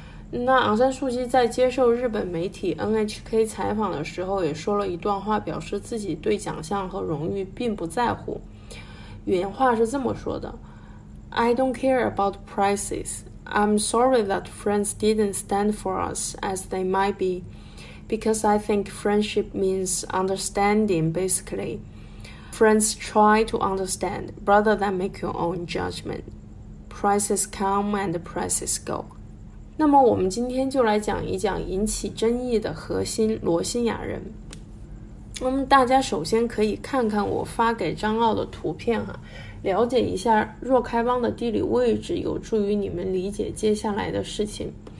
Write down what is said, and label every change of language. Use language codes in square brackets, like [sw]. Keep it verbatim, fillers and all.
[zh] 那昂山素季在接受日本媒体 N H K 采访的时候也说了一段话，表示自己对奖项和荣誉并不在乎，原话是这么说的 [en] I don't care about prizes, I'm sorry that friends didn't stand for us as they might be. Because I think friendship means understanding, basically. Friends try to understand rather than make your own judgment. Prices come and prices go. [zh] 那么我们今天就来讲一讲引起争议的核心罗兴亚人。那么大家首先可以看看我发给张奥的图片哈，了解一下若开邦的地理位置，有助于你们理解接下来的事情。